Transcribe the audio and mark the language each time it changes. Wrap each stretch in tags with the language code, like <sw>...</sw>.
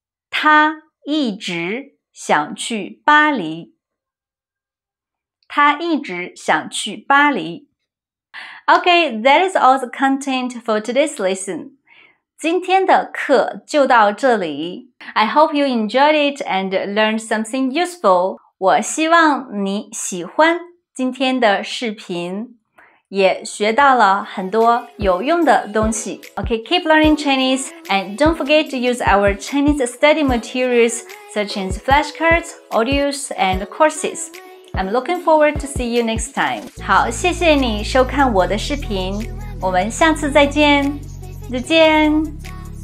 <zh>他一直想去巴黎。他一直想去巴黎。</zh> <en>Okay, that is all the content for today's lesson.</en> <zh>今天的课就到这里。</zh> <en>I hope you enjoyed it and learned something useful.</en> <zh>我希望你喜欢今天的视频，也学到了很多有用的东西。</zh> <en>OK, keep learning Chinese and don't forget to use our Chinese study materials such as flashcards, audios, and courses. I'm looking forward to see you next time.</en> <zh>好，谢谢你收看我的视频，我们下次再见，再见。</zh>